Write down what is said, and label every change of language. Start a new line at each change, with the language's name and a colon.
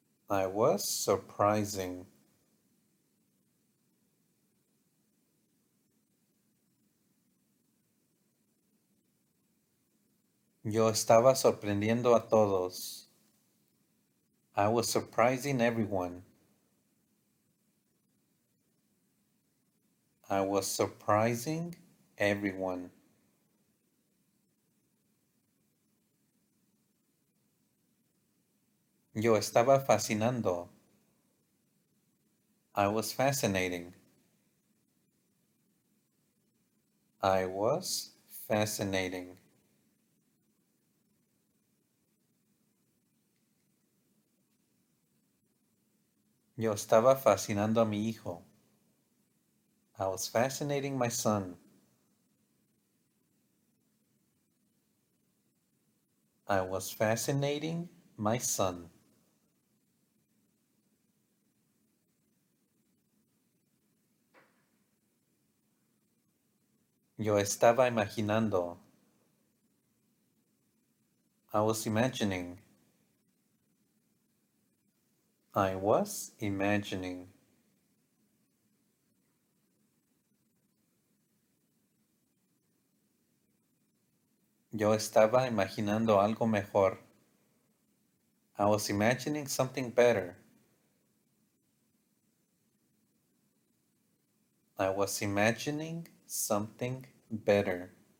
English: I was surprising.
Spanish: Yo estaba sorprendiendo a todos.
English: I was surprising everyone. I was surprising everyone.
Spanish: Yo estaba fascinando.
English: I was fascinating. I was fascinating.
Spanish: Yo estaba fascinando a mi hijo.
English: I was fascinating my son. I was fascinating my son.
Spanish: Yo estaba imaginando.
English: I was imagining. I was imagining.
Spanish: Yo estaba imaginando algo mejor.
English: I was imagining something better. I was imagining something better.